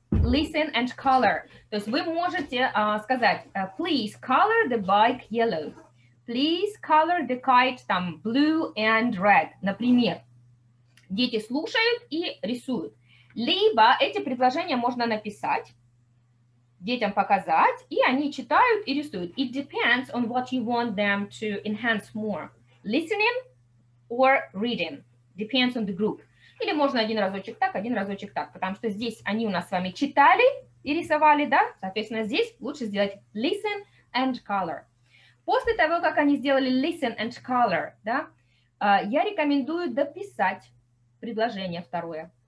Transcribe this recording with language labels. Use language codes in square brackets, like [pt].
[en] Listen and color. [ru] То есть вы можете сказать, [en] please color the bike yellow. Please color the kite там blue and red, например. [ru] Дети слушают и рисуют. Либо эти предложения можно написать, детям показать, и они читают и рисуют. [en] It depends on what you want them to enhance more. Listening or reading. Depends on the group. [ru] Или можно один разочек так, потому что здесь они у нас с вами читали и рисовали, да? Соответственно, здесь лучше сделать [en] listen and color. [ru] После того, как они сделали [en] listen and color, [ru] да, я рекомендую дописать предложение второе.